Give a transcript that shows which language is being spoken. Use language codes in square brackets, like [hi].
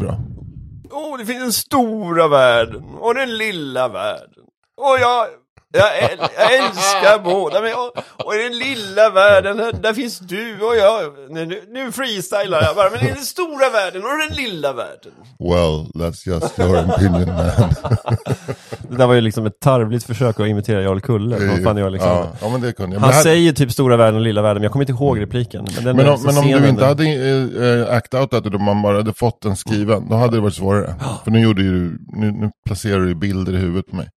[sv] Bra. Åh, det finns en stora värld och den lilla världen. Och jag älskar båda. Men och i den lilla världen, där finns du och jag. Nu freestylar jag bara. Men i den stora världen och den lilla världen. [en] Well, that's just your opinion, man. [sv] Det där var ju liksom ett tarvligt försök att imitera Jarl Kulle. Ja, men det kunde jag. Han men säger typ stora världen och lilla världen, men jag kommer inte ihåg repliken. Men om du inte hade [en] act out [sv] att man bara hade fått den skriven, då hade det varit svårare. För nu gjorde ju, nu placerar du bilder i huvudet på mig.